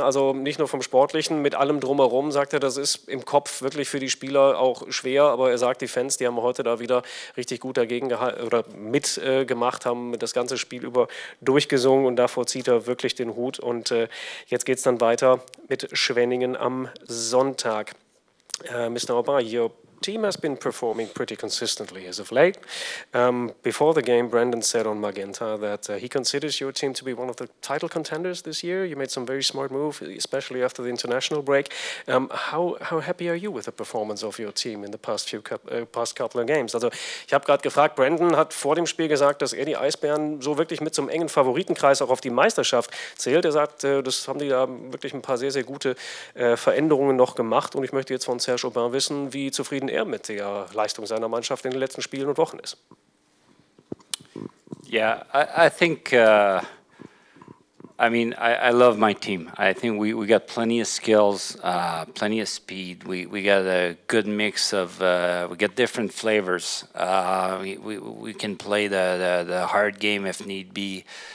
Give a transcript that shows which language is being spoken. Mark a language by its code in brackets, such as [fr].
[de] Also nicht nur vom Sportlichen, mit allem drumherum, sagt er, das ist im Kopf wirklich für die Spieler auch schwer. Aber er sagt, die Fans, die haben heute da wieder richtig gut dagegen oder mitgemacht, haben das ganze Spiel über durchgesungen und davor zieht er wirklich den Hut. Und jetzt geht es dann weiter mit Schwenningen am Sonntag. [en] Mr. Aubin, your team has been performing pretty consistently as of late. Before the game, Brandon said on Magenta that he considers your team to be one of the title contenders this year. You made some very smart move, especially after the international break. How happy are you with the performance of your team in the past few couple of games? [de] Also, ich habe gerade gefragt, Brandon hat vor dem Spiel gesagt, dass er die Eisbären so wirklich mit so einem engen Favoritenkreis auch auf die Meisterschaft zählt. Er sagt, das haben die da wirklich ein paar sehr, sehr gute Veränderungen noch gemacht. Und ich möchte jetzt von Serge Aubin wissen, wie zufrieden er mit der Leistung seiner Mannschaft in den letzten Spielen und Wochen ist. [en] Yeah, I think, I mean, I love my team. I think we got plenty of skills, plenty of speed. We got a good mix of, we got different flavors. We can play the hard game if need be.